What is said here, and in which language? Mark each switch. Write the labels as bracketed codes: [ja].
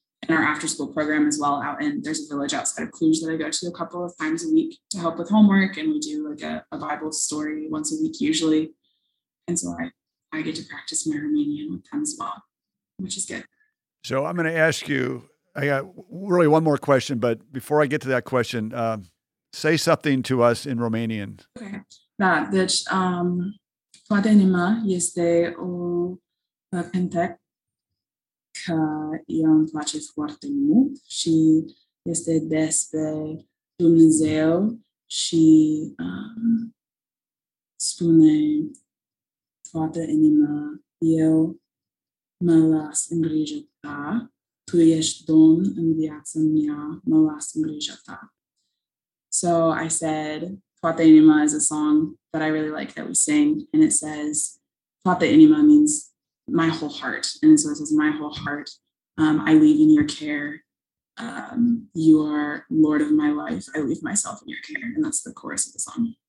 [en] In our after school program as well, there's a village outside of Cluj that I go to a couple of times a week to help with homework, and we do like a Bible story once a week usually. And so I get to practice my Romanian with them as well, which is good. So I'm going to ask you, I got really one more question, but before I get to that question, say something to us in Romanian. Okay. [ro] Da, deci, poate inima este o cântec că eu îmi place foarte mult și este despre Dumnezeu și spune... Toată inima, eu mă las în grijă ta. Tu ești Domn în viața mea, mă las în grijă ta. [en] So I said, [ro] Toată inima [en] is a song that I really like that we sing. And it says, [ro] Toată inima [en] means my whole heart. And so it says, my whole heart, I leave in your care. You are Lord of my life. I leave myself in your care. And that's the chorus of the song.